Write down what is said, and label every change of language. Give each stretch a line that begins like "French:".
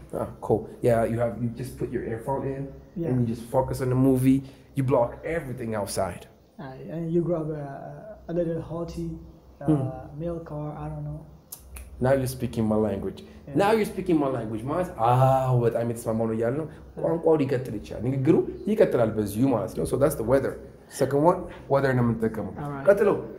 English: Oh, cool. Yeah, you just put your earphone in and you just focus on the movie. You block everything outside. And you grab a little hot tea, milk or I don't know. Now you're speaking my language. Yeah. Now you're speaking my language.
Amharic: በጣም የተስማማው ነው እያልን ነው። ቋንቋው ሊቀጥል ይችላል። ንግግሩ ይቀጥላል በዚሁ ማለት ነው።
English: So that's the weather. Second one,
Amharic: weather ነው የምንጠቀመው። ቀጥሎ